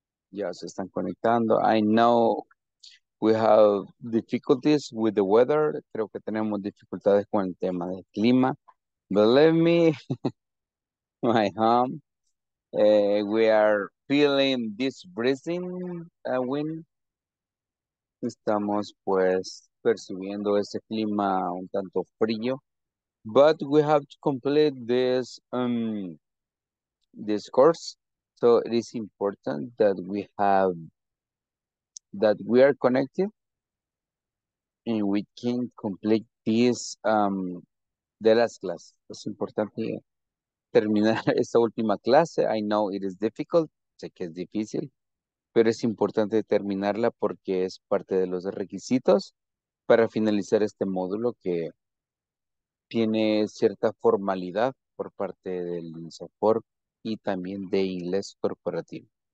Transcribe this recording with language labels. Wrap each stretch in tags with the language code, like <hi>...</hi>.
<es>Ya se están conectando.</es> <en>I know we have difficulties with the weather.</en> <es>Creo que tenemos dificultades con el tema del clima.</es> <en>But let me, my home, we are feeling this breezing wind.</en> <es>Estamos pues percibiendo ese clima un tanto frío.</es> <en>But we have to complete this this course, so it is important that we are connected and we can complete this the last class.</en> <es>Es importante terminar esta última clase.</es> <en>I know it is difficult,</en> <es>sé que es difícil, pero es importante terminarla porque es parte de los requisitos para finalizar este módulo que tiene cierta formalidad por parte del INSAFOR y también de Inglés Corporativo.</es>